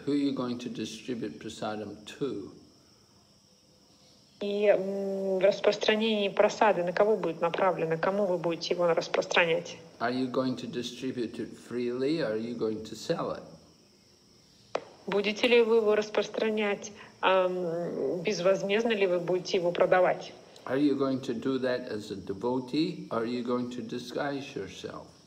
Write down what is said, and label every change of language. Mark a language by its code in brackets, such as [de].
[en] Who are you going to distribute prasadam to? [ru] И распространение просады, на кого будет направлено? Кому вы будете его распространять? [en] Are you going to distribute it freely or are you going to sell it? [ru] Будете ли вы его распространять безвозмездно, ли вы будете его продавать? [en] Are you going to do that as a devotee, or are you going to disguise yourself?